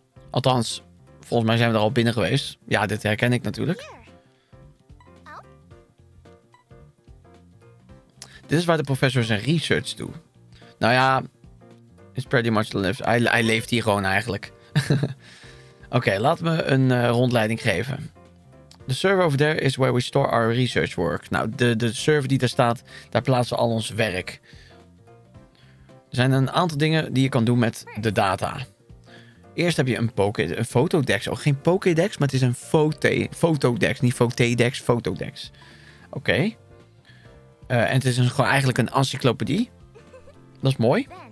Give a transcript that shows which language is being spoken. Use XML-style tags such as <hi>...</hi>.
<nl>Althans, volgens mij zijn we er al binnen geweest. Ja, dit herken ik natuurlijk. Dit is waar de professor zijn research doet. Nou ja, it's pretty much the lives. Hij leeft hier gewoon eigenlijk. Oké, laat me een rondleiding geven.</nl> <en>The server over there is where we store our research work.</en> <nl>Nou, de server die daar staat, daar plaatsen we al ons werk. Er zijn een aantal dingen die je kan doen met de data. Eerst heb je een fotodex. Oh, geen Pokédex, maar het is een fotodex. Niet fotedex, fotodex. Oké. En het is gewoon eigenlijk een encyclopedie. Dat is mooi.</nl>